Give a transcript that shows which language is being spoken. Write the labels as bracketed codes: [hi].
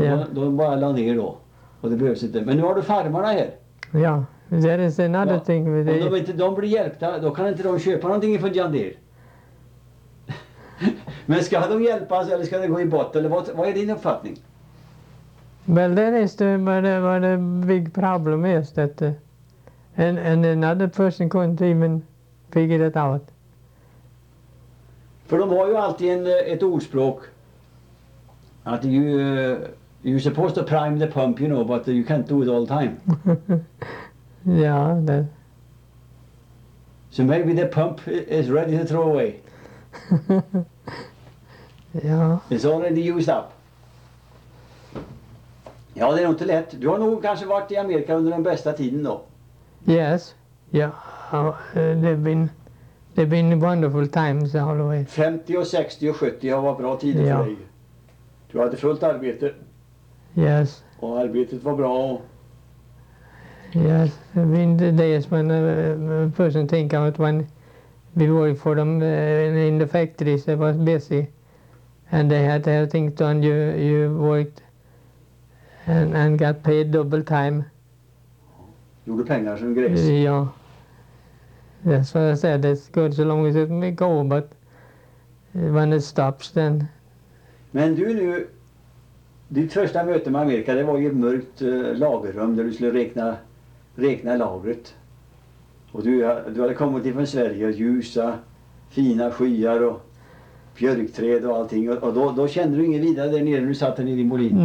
[sv] Och ja. De bara la ner då. Och det behövs inte. Men nu har du farmarna här. [en] Ja, that is another thing. [sv] Om de inte de blir hjälpta, då kan inte de köpa någonting från John Deere. Men ska de hjälpas eller ska de gå i botten? Eller vad är din uppfattning? [en] Well, that is the big problem is that and another person couldn't even figure it out. [sv] För de har ju alltid ett ordspråk att ju... [en] You're supposed to prime the pump, you know, but you can't do it all the time. Yeah, that. So maybe the pump is ready to throw away. Yeah. It's already used up. [sv] Ja, det är nog inte lätt. Du har nog kanske varit i Amerika under den bästa tiden då. [en] Yes. Yeah. They've been wonderful times all the way. [sv] 50 och 60 och 70 har varit bra tider för dig. Du hade fullt arbete. [en] Yes. [sv] Och arbetet var bra. [en] Yes, I mean the days when a person think about when we worked for them in the factories, they was busy. And they had to have things done, you worked and got paid double time. [sv] Gjorde pengar som gräs. Ja. [en] That's what I said, it's good so long as it may go, but when it stops then... [sv] Men du nu... Ditt första möte med Amerika, det var ju ett mörkt lagerrum där du skulle räkna lagret. Och du hade kommit ifrån Sverige, ljusa, fina skyar och björkträd och allting. Och då kände du ingen vidare där nere när du satt där nere i Molin.